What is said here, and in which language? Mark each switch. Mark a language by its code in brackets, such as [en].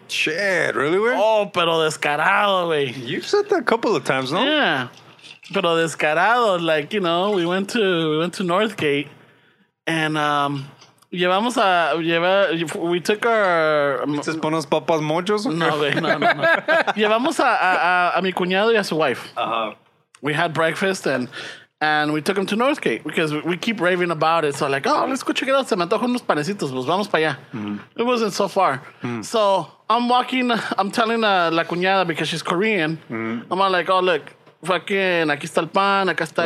[en] Shit, really, güey? [es] Oh, pero descarado, güey. [en] You've said that a couple of times, no? Yeah. [es] Pero descarado, [en] like, you know, we went to Northgate, and, [es] llevamos a, [en] we took our. [es] ¿Te pones papas mochos? No, güey, no. Llevamos a mi cuñado y a su wife. Uh-huh. [en] We had breakfast, and we took him to Northgate because we keep raving about it. So like, oh, let's go check it out. [es] Se me antojan unos panecitos. Pues vamos para allá. [en] It wasn't so far. So I'm walking. I'm telling [es] la cuñada [en] because she's Korean. I'm like, oh, look. [es] Fucking, aquí está el pan. Acá está